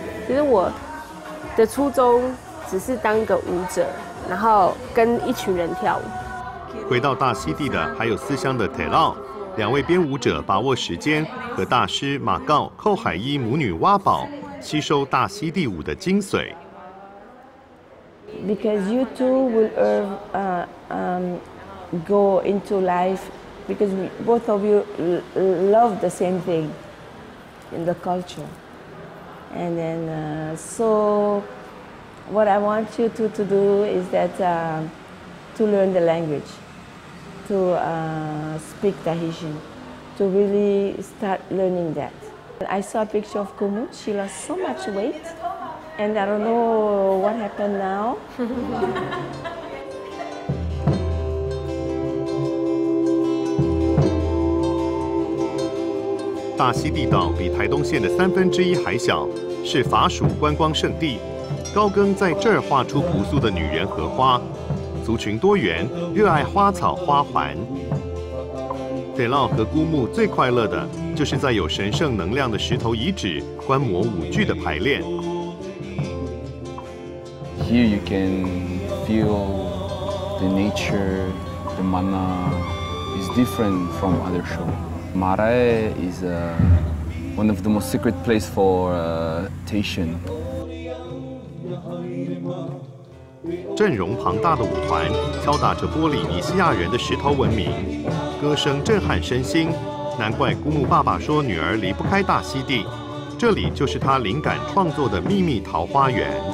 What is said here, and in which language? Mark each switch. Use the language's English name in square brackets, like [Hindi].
[Chinese] 其实我的初衷只是当一个舞者，然后跟一群人跳舞。回到大溪地的还有思乡的铁浪，两位编舞者把握时间，和大师马告、寇海一母女挖宝，吸收大溪地舞的精髓。 [English] because you two will go into life, because both of you love the same thing in the culture. And then, so what I want you two to do is that to learn the language, to speak Tahitian, to really start learning that. I saw a picture of Kumu. She lost so much weight. And I don't know what happened now. [Chinese] Da Xi Di Dao 比台东县的三分之一还小，是法属观光胜地。高更在这儿画出朴素的女人和花，族群多元，热爱花草花环。德劳和姑木最快乐的就是在有神圣能量的石头遗址观摩舞剧的排练。 [English] Here you can feel the nature, the mana is different from other show. Marae is one of the most secret place for Tahitian. [Chinese] 阵容庞大的舞团敲打着波利尼西亚人的石头文明，歌声震撼身心，难怪姑母爸爸说女儿离不开大溪地，这里就是他灵感创作的秘密桃花源。